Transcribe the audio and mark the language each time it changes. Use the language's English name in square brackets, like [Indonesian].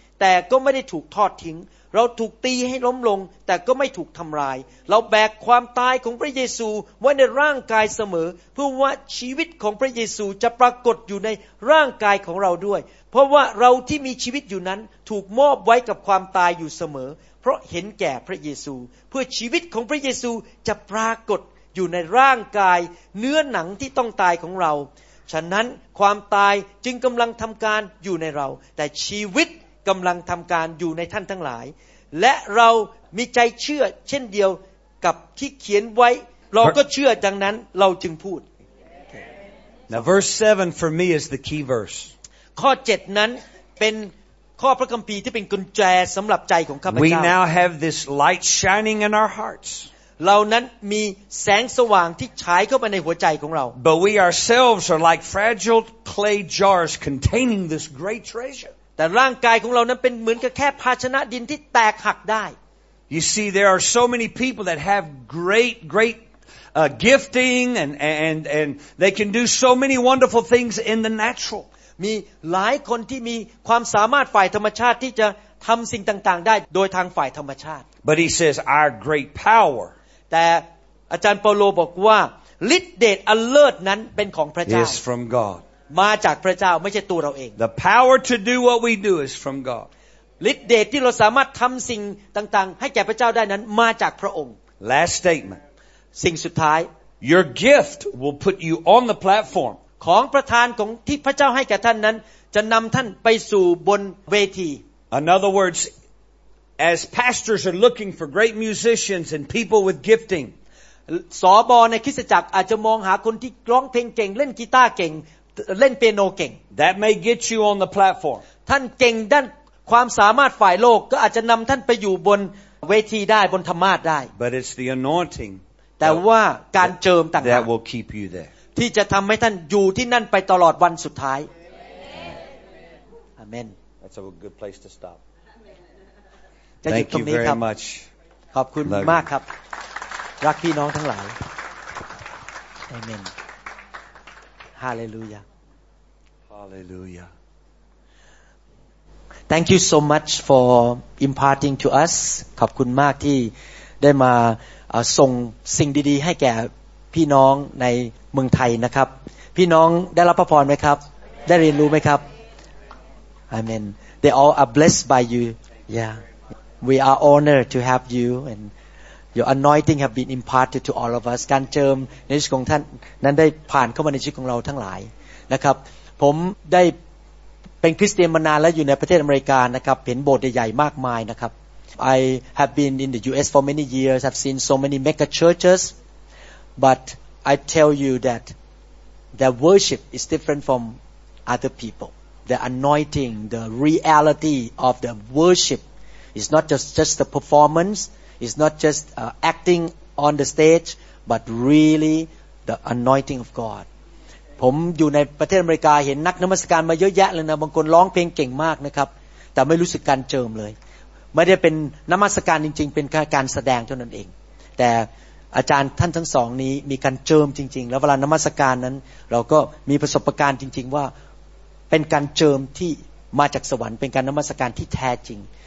[Thai] แต่ก็ไม่ได้ถูกทอดทิ้งเราถูกตีให้ล้มลงแต่ก็ไม่ถูกทำลายเราแบกความตายของพระเยซูไว้ในร่างกายเสมอเพื่อว่าชีวิตของพระเยซูจะปรากฏอยู่ในร่างกายของเราด้วยเพราะว่าเราที่มีชีวิตอยู่นั้นถูกมอบไว้กับความตายอยู่เสมอเพราะเห็นแก่พระเยซูเพื่อชีวิตของพระเยซูจะปรากฏอยู่ในร่างกายเนื้อหนังที่ต้องตายของเรา ฉะนั้นความตายจึงกำลังทำการอยู่ในเราแต่ชีวิตกำลังทำการอยู่ในท่านทั้งหลายและเรามีใจเชื่อเช่นเดียวกับที่เขียนไว้เราก็เชื่อดังนั้นเราจึงพูด [English] Now verse 7 for me is the key verse [Thai] ข้อ7นั้นเป็นข้อพระคัมภีร์ที่เป็นกุญแจสำหรับใจของข้าพเจ้า [English] We now have this light shining in our hearts [Thai] เรานั้นมีแสงสว่างที่ฉายเข้าไปในหัวใจของเรา [English] But we ourselves are like fragile clay jars containing this great treasure [Thai] แต่ร่างกายของเรานั้นเป็นเหมือนกับแค่ภาชนะดินที่แตกหักได้ [English] You see there are so many people that have great gifting and they can do so many wonderful things in the natural [Thai] มีหลายคนที่มีความสามารถฝ่ายธรรมชาติที่จะทำสิ่งต่างๆได้โดยทางฝ่ายธรรมชาติ [English] But he says our great power [Thai] แต่อาจารย์เปาโลบอกว่าฤทธิ์เดชอันเลิศนั้นเป็นของพระเจ้า [English] is from God [Thai] มาจากพระเจ้าไม่ใช่ตัวเราเอง [English] The power to do what we do is from God [Thai] ฤทธิ์เดชที่เราสามารถทำสิ่งต่างๆให้แก่พระเจ้าได้นั้นมาจากพระองค์ [English] Last statement [Thai] สิ่งสุดท้าย [English] Your gift will put you on the platform [Thai] ของประทานของที่พระเจ้าให้แก่ท่านนั้นจะนำท่านไปสู่บนเวที [English] In other words, as pastors are looking for great musicians and people with gifting, [Thai] สบในคริสตจักรอาจจะมองหาคนที่ร้องเพลงเก่งเล่นกีตาร์เก่งเล่นเปียโนเก่ง [English] That may get you on the platform. [Thai] ท่านเก่งด้านความสามารถฝ่ายโลกก็อาจจะนำท่านไปอยู่บนเวทีได้บนธรรมาสได้ [English] But it's the anointing. [Thai] แต่ว่าการเจิมต่างหาก [English] That will keep you there. [Thai] ที่จะทำให้ท่านอยู่ที่นั่นไปตลอดวันสุดท้าย Amen. [English] That's a good place to stop. Thank you very much. [Thai] ขอบคุณมากครับรักพี่น้องทั้งหลาย Amen. [English] Hallelujah. Hallelujah. Thank you so much for imparting to us. [Thai] ขอบคุณมากที่ได้มาส่งสิ่งดีๆให้แก่พี่น้องในเมืองไทยนะครับพี่น้องได้รับพระพรไหมครับได้เรียนรู้ไหมครับ Amen. [English] They all are blessed by you. Yeah. We are honored to have you and your anointing have been imparted to all of us. [Thai] การเจิมในชีวิตของท่านนั้นได้ผ่านเข้ามาในชีวิตของเราทั้งหลายนะครับผมได้เป็นคริสเตียนมานานแล้วอยู่ในประเทศอเมริกานะครับเห็นโบสถ์ใหญ่ๆมากมายนะครับ [English] I have been in the US for many years. I've seen so many mega churches. But I tell you that their worship is different from other people. The anointing, the reality of the worship is not just the performance, it's not just acting on the stage, but really the anointing of God. [Thai] ผมอยู่ในประเทศอเมริกาเห็นนักนมัสการมาเยอะแยะเลยนะบางคนร้องเพลงเก่งมากนะครับแต่ไม่รู้สึกการเจิมเลยไม่ได้เป็นนมัสการจริงๆเป็นแค่การแสดงเท่านั้นเองแต่อาจารย์ท่านทั้งสองนี้มีการเจิมจริงๆแล้วเวลานมัสการนั้นเราก็มีประสบการณ์จริงๆว่าเป็นการเจิมที่มาจากสวรรค์เป็นการนมัสการที่แท้จริง